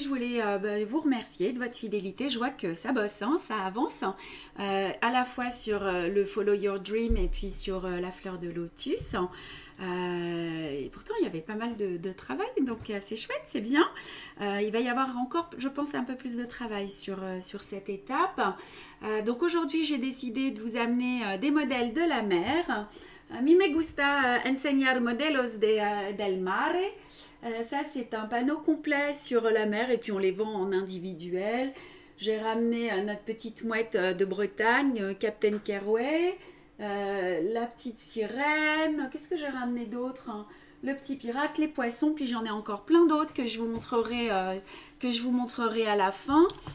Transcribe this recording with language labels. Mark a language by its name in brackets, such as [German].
[French] Je voulais vous remercier de votre fidélité. Je vois que ça bosse, hein, ça avance, hein, à la fois sur le Follow Your Dream et puis sur la Fleur de Lotus. Et pourtant, il y avait pas mal de travail, donc c'est chouette, c'est bien. Il va y avoir encore, je pense, un peu plus de travail sur cette étape. Donc aujourd'hui, j'ai décidé de vous amener des modèles de la mer. [Spanish] Mi me gusta enseñar modelos de, del mare. [French] Ça, c'est un panneau complet sur la mer et puis on les vend en individuel. J'ai ramené notre petite mouette de Bretagne, Captain Kerouet, la petite sirène. Qu'est-ce que j'ai ramené d'autre? Le petit pirate, les poissons, puis j'en ai encore plein d'autres que je vous montrerai, à la fin.